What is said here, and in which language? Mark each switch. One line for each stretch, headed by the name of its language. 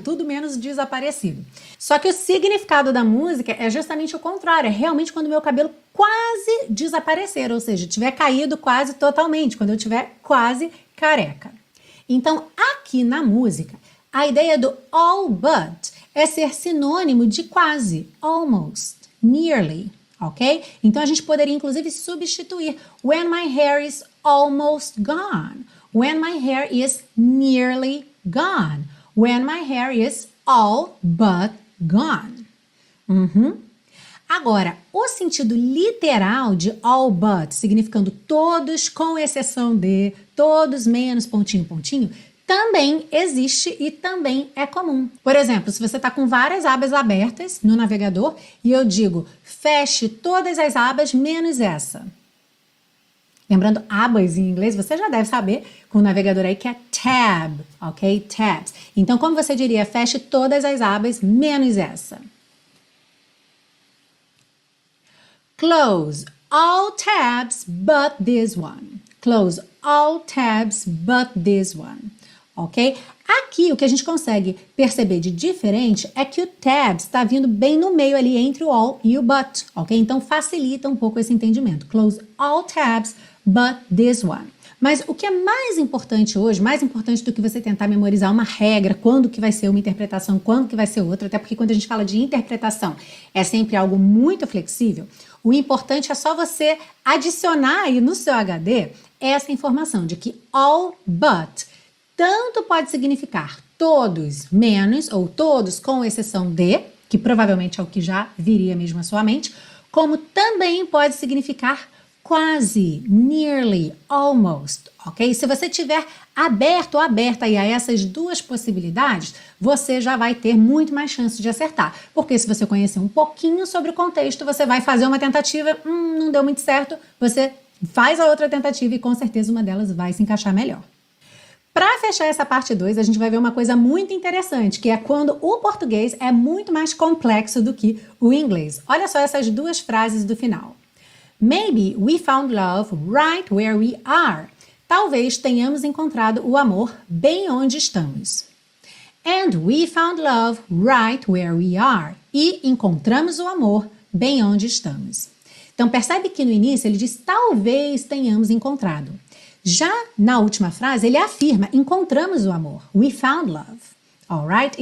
Portuguese: Tudo menos desaparecido. Só que o significado da música é justamente o contrário, é realmente quando meu cabelo quase desaparecer, ou seja, tiver caído quase totalmente, quando eu tiver quase careca. Então, aqui na música, a ideia do all but é ser sinônimo de quase, almost, nearly, ok? Então, a gente poderia, inclusive, substituir
English: when my hair is almost gone, when my hair is nearly gone, when my hair is all but gone. Uhum.
Portuguese: Agora, o sentido literal de all but, significando todos com exceção de, todos menos pontinho, pontinho, também existe e também é comum. Por exemplo, se você está com várias abas abertas no navegador e eu digo, feche todas as abas menos essa. Lembrando, abas em inglês, você já deve saber com o navegador aí que é tab, ok? Tabs. Então, como você diria, feche todas as abas menos essa?
English: Close all tabs but this one. Close all tabs but this one. Ok?
Portuguese: Aqui o que a gente consegue perceber de diferente é que o tabs está vindo bem no meio ali entre o all e o but. Ok? Então facilita um pouco esse entendimento.
English: Close all tabs but this one.
Portuguese: Mas o que é mais importante hoje, mais importante do que você tentar memorizar uma regra, quando que vai ser uma interpretação, quando que vai ser outra, até porque quando a gente fala de interpretação é sempre algo muito flexível, o importante é só você adicionar aí no seu HD essa informação de que all but tanto pode significar todos menos ou todos com exceção de, que provavelmente é o que já viria mesmo à sua mente, como também pode significar quase, nearly, almost, ok? Se você tiver aberto ou aberta aí a essas duas possibilidades, você já vai ter muito mais chance de acertar. Porque se você conhecer um pouquinho sobre o contexto, você vai fazer uma tentativa, não deu muito certo, você faz a outra tentativa e com certeza uma delas vai se encaixar melhor. Para fechar essa parte 2, a gente vai ver uma coisa muito interessante, que é quando o português é muito mais complexo do que o inglês. Olha só essas duas frases do final.
English: Maybe we found love right where we are.
Portuguese: Talvez tenhamos encontrado o amor bem onde estamos.
English: And we found love right where we are.
Portuguese: E encontramos o amor bem onde estamos. Então percebe que no início ele diz talvez tenhamos encontrado. Já na última frase ele afirma encontramos o amor.
English: We found love. All right?